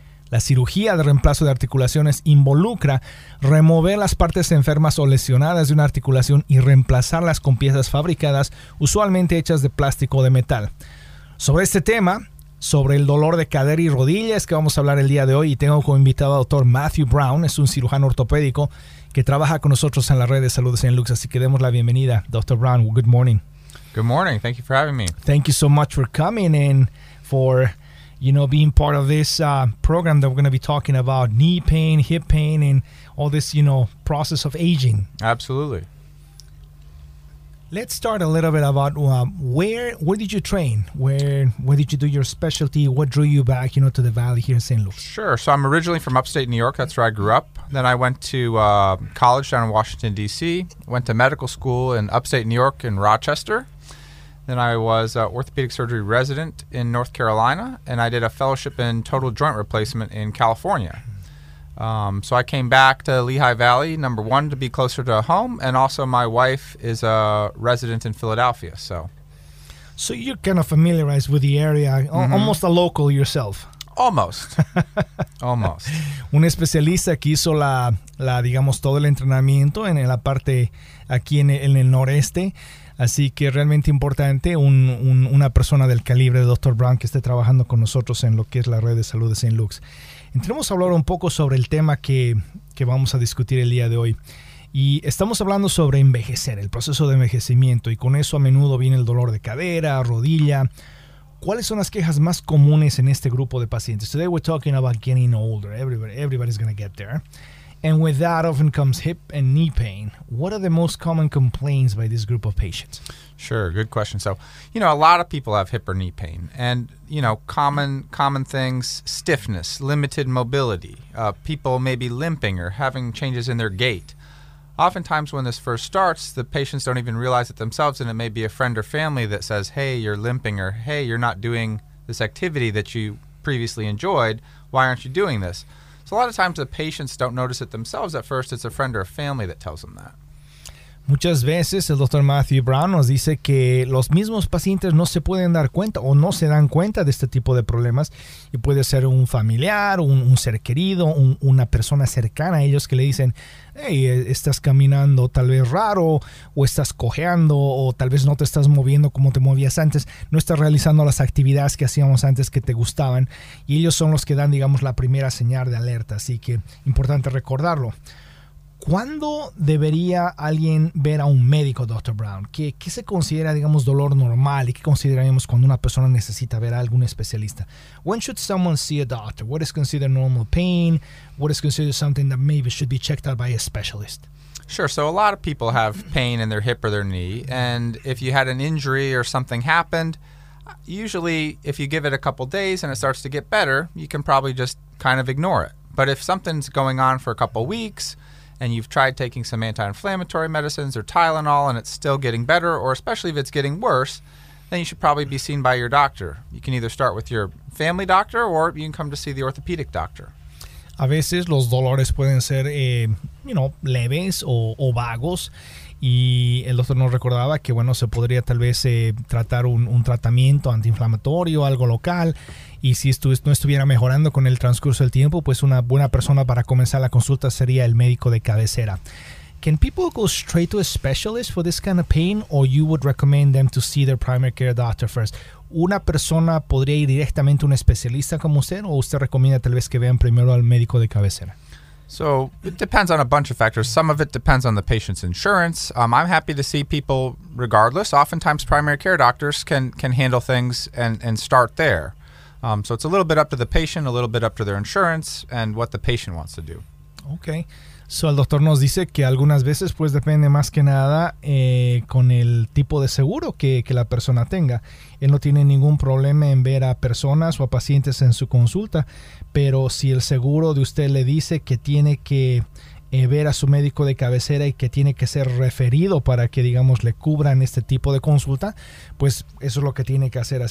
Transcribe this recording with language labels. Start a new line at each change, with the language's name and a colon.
Spanish: La cirugía de reemplazo de articulaciones involucra remover las partes enfermas o lesionadas de una articulación y reemplazarlas con piezas fabricadas, usualmente hechas de plástico o de metal. Sobre este tema, sobre el dolor de cadera y rodillas que vamos a hablar el día de hoy, y tengo como invitado al doctor Matthew Brown, es un cirujano ortopédico que trabaja con nosotros en la red de salud de St. Luke's, así que demos la bienvenida. Dr. Brown,
English: good morning. Good morning, thank you for having me. Thank you so much for coming and for, you know, being part of this program that we're going to be talking about, knee pain, hip pain, and all this, you know, process of aging. Absolutely. Let's start a little bit about where did you train? Where did you do your specialty? What drew you back, you know, to the valley here in St. Louis? Sure. So I'm originally from upstate New York. That's where I grew up. Then I went to college down in Washington, D.C., went to medical school in upstate New York in Rochester. Then I was an orthopedic surgery resident in North Carolina, and I did a fellowship in total joint replacement in California. So I came back to Lehigh Valley, number one, to be closer to home, and also my wife is a resident in Philadelphia. So you're kind of familiarized with the area, mm-hmm. almost a local yourself. Almost.
Spanish: Un especialista que hizo la digamos, todo el entrenamiento en la parte aquí en el noreste. Así que realmente importante una persona del calibre de Dr. Brown que esté trabajando con nosotros en lo que es la red de salud de St. Luke's. Entremos a hablar un poco sobre el tema que vamos a discutir el día de hoy. Y estamos hablando sobre envejecer, el proceso de envejecimiento. Y con eso a menudo viene el dolor de cadera, rodilla. ¿Cuáles son las quejas más comunes en este grupo de pacientes?
English: Today we're talking about getting older. Everybody's going to get there. And with that often comes hip and knee pain. What are the most common complaints by this group of patients? Sure, good question. So, you know, a lot of people have hip or knee pain. And, you know, common things, stiffness, limited mobility. People may be limping or having changes in their gait. Oftentimes when this first starts, the patients don't even realize it themselves, and it may be a friend or family that says, hey, you're limping, or hey, you're not doing this activity that you previously enjoyed. Why aren't you doing this? So a lot of times the patients don't notice it themselves at first. It's a friend or a family that tells them that.
Spanish: Muchas veces el Dr. Matthew Brown nos dice que los mismos pacientes no se pueden dar cuenta o no se dan cuenta de este tipo de problemas. Y puede ser un familiar, un ser querido, una persona cercana a ellos que le dicen, hey, estás caminando tal vez raro o estás cojeando o tal vez no te estás moviendo como te movías antes. No estás realizando las actividades que hacíamos antes que te gustaban. Y ellos son los que dan, digamos, la primera señal de alerta. Así que importante recordarlo. ¿Cuándo debería alguien ver a un médico, Dr. Brown? ¿Qué se considera, digamos, dolor normal? ¿Y qué consideraríamos cuando una persona necesita ver a algún especialista?
English: When should someone see a doctor? What is considered normal pain? What is considered something that maybe should be checked out by a specialist? Sure. So a lot of people have pain in their hip or their knee. And if you had an injury or something happened, usually if you give it a couple days and it starts to get better, you can probably just kind of ignore it. But if something's going on for a couple weeks and you've tried taking some anti-inflammatory medicines or Tylenol and it's still getting better, or especially if it's getting worse, then you should probably be seen by your doctor. You can either start with your family doctor or you can come to see the orthopedic doctor.
Spanish: A veces los dolores pueden ser, leves o vagos. Y el doctor nos recordaba que, bueno, se podría tal vez tratar un tratamiento antiinflamatorio, algo local. Y si esto no estuviera mejorando con el transcurso del tiempo, pues una buena persona para comenzar la consulta sería el médico de cabecera.
English: Can people go straight to a specialist for this kind of pain, or you would recommend them to see their primary care doctor first?
Spanish: ¿Una persona podría ir directamente a un especialista como usted, o usted recomienda tal vez que vean primero al médico de cabecera?
English: So it depends on a bunch of factors. Some of it depends on the patient's insurance. I'm happy to see people regardless. Oftentimes primary care doctors can handle things and start there. So it's a little bit up to the patient, a little bit up to their insurance and what the patient wants to do. Okay.
Spanish: So el doctor nos dice que algunas veces pues depende más que nada con el tipo de seguro que la persona tenga. Él no tiene ningún problema en ver a personas o a pacientes en su consulta, pero si el seguro de usted le dice que tiene que ver a su médico de cabecera y que tiene que ser referido para que, digamos, le cubran este tipo de consulta, pues eso es lo que tiene que hacer.